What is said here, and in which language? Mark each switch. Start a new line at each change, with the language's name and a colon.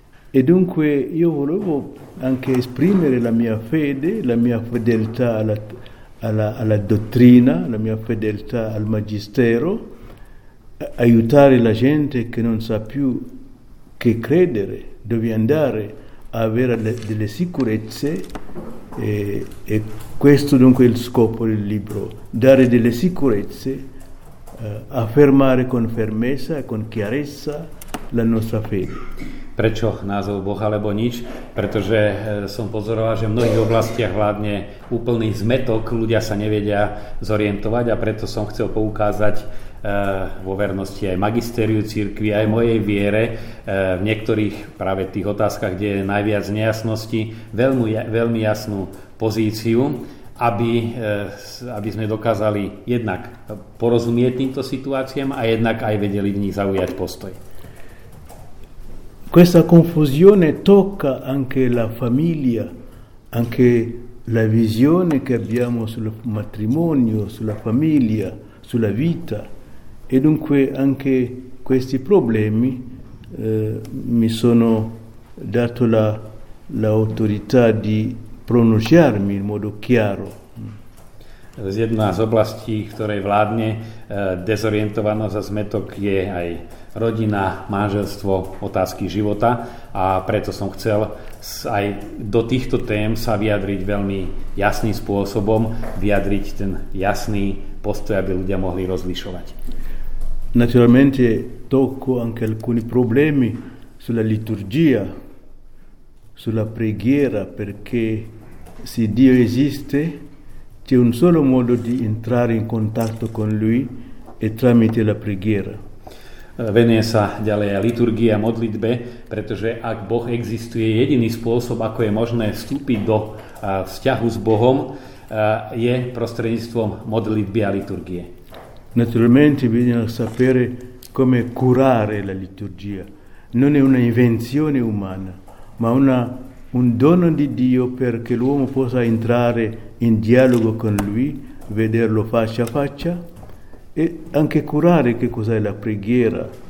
Italian: E dunque io volevo anche esprimere la mia fede, la mia fedeltà alla dottrina, la mia fedeltà al Magistero, aiutare la gente che non sa più che credere, dove andare, avere delle sicurezze, e questo dunque è il scopo del libro, dare delle sicurezze, affermare con fermezza e con chiarezza la nostra fede.
Slovak: Prečo názov Boh alebo nič? Pretože som pozoroval, že v mnohých oblastiach vládne úplný zmetok, ľudia sa nevedia zorientovať, a preto som chcel poukázať vo vernosti aj magisteriu cirkvi, aj mojej viere, v niektorých práve tých otázkach, kde je najviac nejasnosti, veľmi jasnú pozíciu, aby sme dokázali jednak porozumieť týmto situáciám a jednak aj vedeli v nich zaujať postoj.
Italian: Questa confusione tocca anche la famiglia, anche la visione che abbiamo sul matrimonio, sulla famiglia, sulla vita. E dunque anche questi problemi mi sono dato l'autorità di pronunciarmi in modo chiaro.
Slovak: Z jedna z oblastí, ktorej vládne dezorientovanosť a zmetok, je aj rodina, manželstvo, otázky života, a preto som chcel aj do týchto tém sa vyjadriť veľmi jasným spôsobom, vyjadriť ten jasný postoj, aby ľudia mohli rozlišovať.
Italian: Naturalmente toku anche alcuni problemi sulla liturgia, sulla preghiera, perché se Dio esiste c'è un solo modo di entrare in contatto con lui e tramite la preghiera.
Slovak: Venuje sa ďalej liturgii a modlitbe, pretože ak Boh existuje, jediný spôsob, ako je možné vstúpiť do vzťahu s Bohom, je prostredníctvom modlitby a liturgie.
Italian: Naturalmente bisogna sapere come curare la liturgia. Non è una invenzione umana, ma una un dono di Dio perché l'uomo possa entrare in dialogo con Lui, vederlo faccia a faccia e anche curare che cos'è la preghiera.